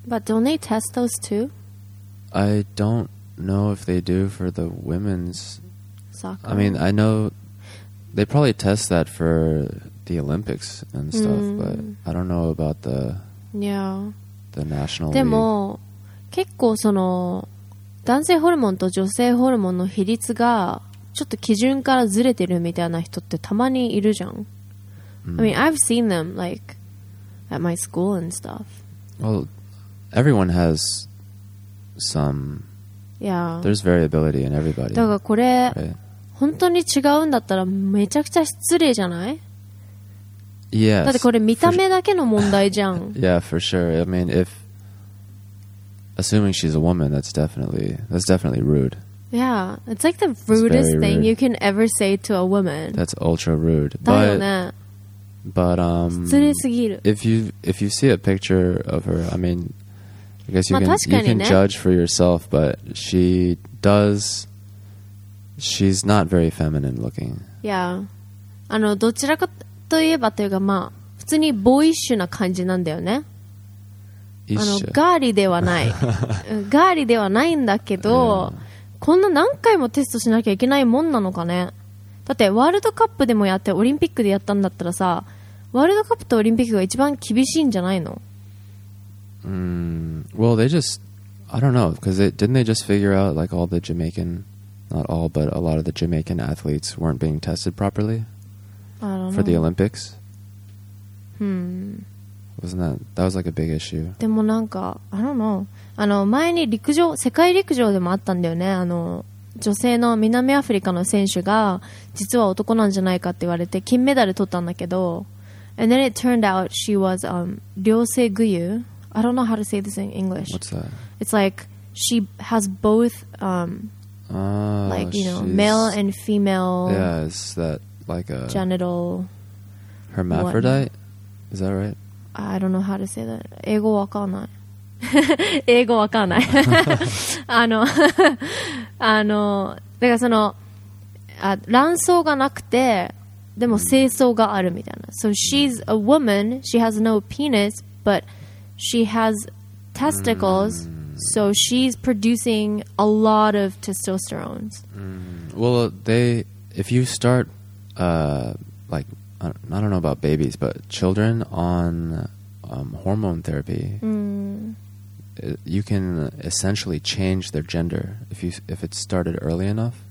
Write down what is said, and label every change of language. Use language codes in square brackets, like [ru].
[en] But don't they test those too? I don't know if they do for the women's soccer. I mean, I know... They probably test that for the Olympics and stuff, but I don't know about the, the national [ja] でも、結構その男性ホルモンと女性ホルモンの比率がちょっと基準からずれてるみたいな人ってたまにいるじゃん。 [en] I mean, I've seen them like at my school and stuff. Well, everyone has some... Yeah. There's variability in everybody. [ja] だからこれ、right? 本当に違うんだったらめちゃくちゃ失礼じゃない? [en] Yes. [ja] だってこれ見た目だけの問題じゃん。 [en] Yeah, for sure. I mean, if assuming she's a woman, that's definitely rude. Yeah, it's like the rudest thing you can ever say to a woman. That's ultra rude. [ja] だよね。 [en] But [ja] 失礼すぎる。 [en] If you see a picture of her, I mean, I guess you can judge for yourself, but she does... She's not very feminine looking. Yeah. [ja] どちらかといえばというか、まあ、普通にボーイッシュな感じなんだよね。ガーリーではない。ガーリーではないんだけど、こんな何回もテストしなきゃいけないもんなのかね。だって、ワールドカップでもやって、オリンピックでやったんだったらさ、ワールドカップとオリンピックが一番厳しいんじゃないの? [en] Well, they just... I don't know, because didn't they just figure out, like, all the Jamaican... Not all, but a lot of the Jamaican athletes weren't being tested properly for the Olympics. Wasn't that like a big issue? [ja] でもなんか [en] I don't know. [ja] 前に陸上世界陸上でもあったんだよね。女性の南アフリカの選手が実は男なんじゃないかって言われて金メダル取ったんだけど、 [en] and then it turned out she was Ryose Guyu. I don't know how to say this in English. What's that? It's like she has both. Male and female. Yeah, is that like a genital hermaphrodite? Is that right? I don't know how to say that. [ja] 英語わかんない。英語わかんない。だからその卵巣がなくてでも精巣があるみたいな。 [en] So she's a woman. She has no penis, but she has testicles. So she's producing a lot of testosterone. Well, if you start, I don't know about babies, but children on hormone therapy, you can essentially change their gender if it's started early enough.